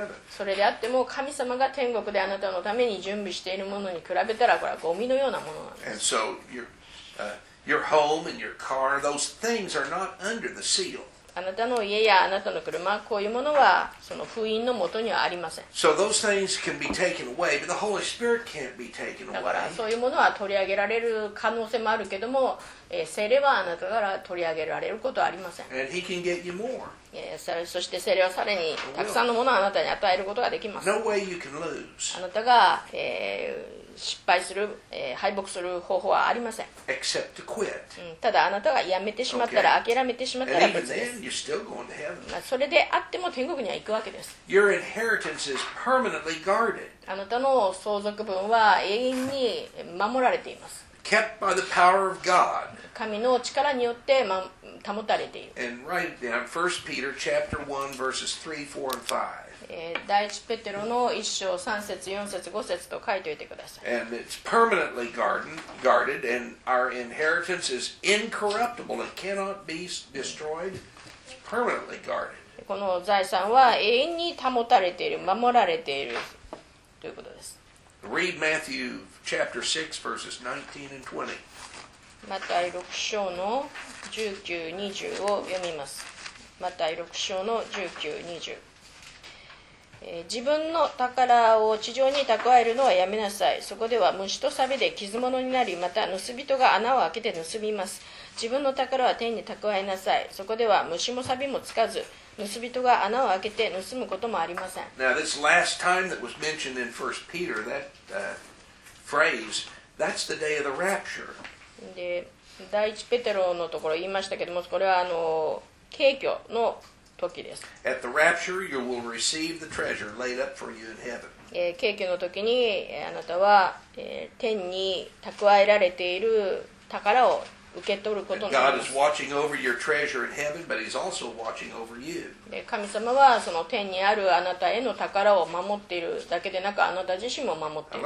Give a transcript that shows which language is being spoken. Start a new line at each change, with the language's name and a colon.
Japanese: それであっても神様が天国であなたのために準備しているものに比べたらこれはゴミのようなものなんです。
English: And so your home and your car, those things are not under the seal.
Japanese: あなたの家やあなたの車、こういうものはその封印のもとにはありません。
English: So those things can be taken away, but the Holy Spirit can't be taken away.
Japanese: だからそういうものは取り上げられる可能性もあるけども、聖霊はあなたから取り上げられることはありません。
English: And he can get you more.
Japanese: そして聖霊はさらにたくさんのものをあなたに与えることができます。
English: No way you can lose.
Japanese: あなたが、失敗する、敗北する方法はありません。
English: Except to quit.
Japanese: ただあなたがやめてしまったら、諦めてしまったら別です。
English: And even then, you're still going to heaven.
Japanese: それであっても天国には行くわけです。
English: Your inheritance is permanently guarded.
Japanese: あなたの相続分は永遠に守られています。
English: Kept by the power of God.
Japanese: 神の力によって、保たれている。
English: And write it down. 1 Peter chapter 1 verses 3, 4, and 5.
Japanese: 第一ペテロの1章3節、4節、5節と書いておいてください。
English: And it's permanently guarded, and our inheritance is incorruptible. It cannot be destroyed. It's permanently guarded.
Japanese: この財産は永遠に保たれている、守られているということです。
English: Read Matthew chapter 6 verses 19 and 20.
Japanese: マタイ6章の19、20を読みます。マタイ6章の19、20、自分の宝を地上に蓄えるのはやめなさい。そこでは虫とサビで傷物になり、また盗人が穴を開けて盗みます。自分の宝は天に蓄えなさい。そこでは虫もサビもつかず、盗人が穴を開けて盗むこともありません。
English: Now this last time that was mentioned in 1 Peter, that phrase, that's the day of the rapture.
Japanese: で第一ペテロのところ言いましたけども、これは景挙の時です。
English: At the rapture, you will receive the treasure laid up for you in heaven.
Japanese: 景挙の時にあなたは天に蓄えられている宝を受け取ることになります。
English: God is watching over your treasure in heaven, but he's also watching over you.
Japanese: 神様はその天にあるあなたへの宝を守っているだけでなく、あなた自身も守っている。